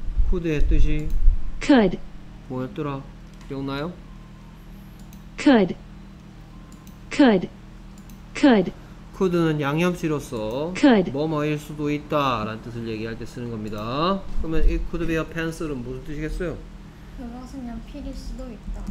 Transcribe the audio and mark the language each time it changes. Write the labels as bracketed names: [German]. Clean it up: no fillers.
[Korean] could의 뜻이 [English] could [Korean] 뭐였더라? 기억나요? [English] could [Korean] could는 양념씨로서 [English] could. [Korean] 뭐뭐일 수도 있다 라는 뜻을 얘기할 때 쓰는 겁니다. 그러면 [English] it could be a pencil [Korean] 은 무슨 뜻이겠어요? 그것은 연필일 수도 있다.